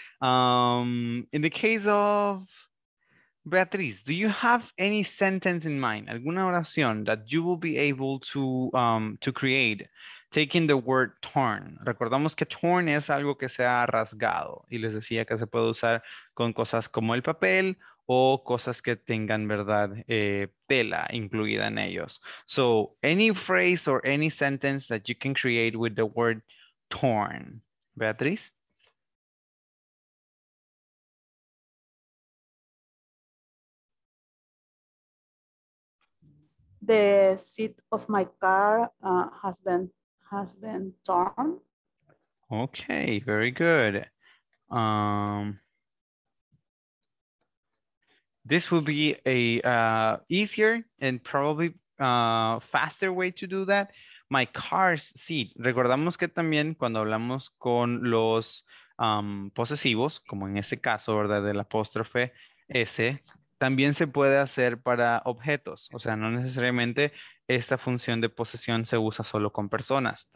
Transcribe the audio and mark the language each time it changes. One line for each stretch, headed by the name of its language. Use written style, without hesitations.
English: In the case of Beatriz, do you have any sentence in mind,
Spanish: alguna oración
English: that you will be able to create taking the word torn?
Spanish: Recordamos que torn es algo que se ha rasgado y les decía que se puede usar con cosas como el papel o cosas que tengan, ¿verdad?, tela incluida en ellos.
English: So, any phrase or any sentence that you can create with the word torn. Beatriz? The seat of my car has been torn. Okay, very good. This will be a easier and probably faster way to do that. My car's seat.
Spanish: Recordamos que también cuando hablamos con los posesivos, como en este caso, ¿verdad?, del apóstrofe S, también se puede hacer para objetos. O sea, no necesariamente esta función de posesión se usa solo con personas.